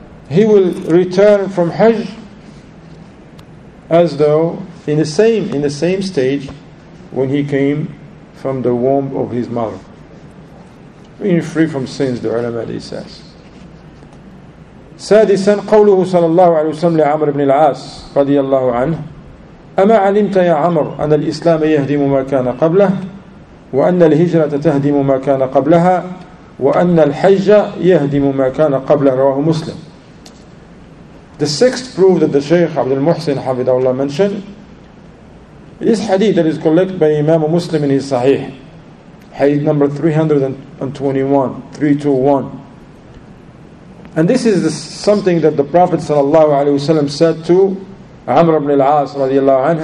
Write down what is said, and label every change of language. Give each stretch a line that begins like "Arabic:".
English: He will return from Hajj as though in the same stage when he came from the womb of his mother, being free from sins, the ulama says.
Arabic: سادسا قوله صلى الله عليه وسلم لعمر بن العاص رضي الله عنه أما علمت يا عمر أن الإسلام يهدم ما كان قبله وأن الهجرة تهدم ما كان قبلها وأن الحج يهدم ما كان قبله رواه مسلم.
English: The sixth proof that the Shaykh Abdul Muhsin Hafidhahullah mentioned, this hadith that is collected by Imam Muslim in his Sahih, hadith number 321. And this is something that the Prophet ﷺ said to Amr ibn al-As radiallahu anhu.